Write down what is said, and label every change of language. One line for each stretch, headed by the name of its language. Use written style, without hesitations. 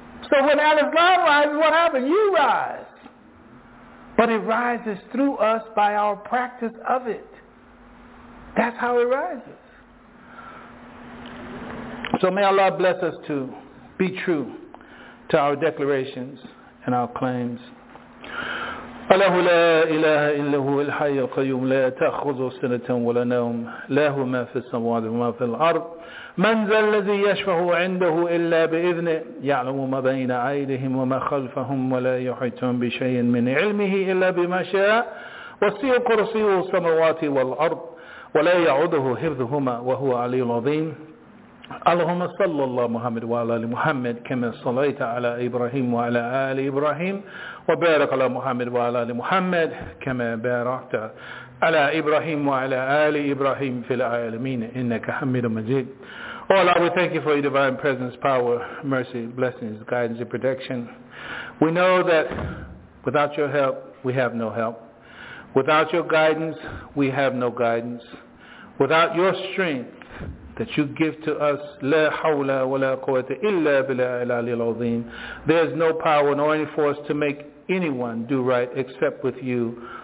English: So when Al-Islam rises, what happens? You rise. But it rises through us by our practice of it. That's how it rises. So may Allah bless us too. Be true to our declarations and our claims.
Arabic: له لا إله إلا هو الحي القيوم لا تأخذه سنة ولا نوم له ما في السماوات وما في الأرض من ذا الذي يشفع عنده إلا بإذنه يعلم ما بين أيديهم وما خلفهم ولا يحيطون بشيء من علمه إلا بما شاء وسع كرسيه السماوات والأرض ولا يعوده حفظهما وهو العلي العظيم اللهم صل الله محمد وعلى آل محمد كما صليت على إبراهيم وعلى آل إبراهيم وبارك على محمد وعلى آل محمد كما باركت على إبراهيم وعلى آل إبراهيم في العالمين إنك حميد مجيد
English: Oh Allah, we thank you for your divine presence, power, mercy, blessings, guidance and protection. We know that without your help, we have no help. Without your guidance, we have no guidance. Without your strength, that you give to us,
Arabic: لا حول ولا قوة إلا بالله العلي العظيم.
English: There is no power nor any force to make anyone do right except with you.